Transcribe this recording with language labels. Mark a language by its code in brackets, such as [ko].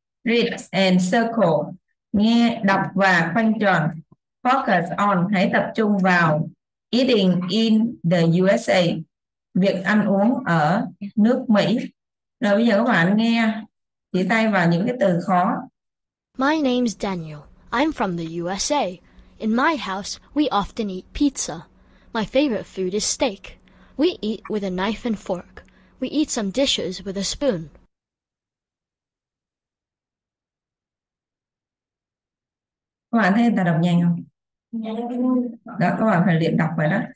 [en] Read and circle, [vi] nghe đọc và khoanh tròn. [en] Focus on, [vi] hãy tập trung vào [en] eating in the USA, [vi] việc ăn uống ở nước Mỹ. Rồi bây giờ các bạn nghe, chỉ tay vào những cái từ khó. [en] My name's Daniel. I'm from the USA. In my house, we often eat pizza. My favorite food is steak. We eat with a knife and fork. We eat some dishes with a spoon. [vi] Các bạn thấy ta đọc nhanh không? Đó, các bạn phải luyện đọc vậy đó.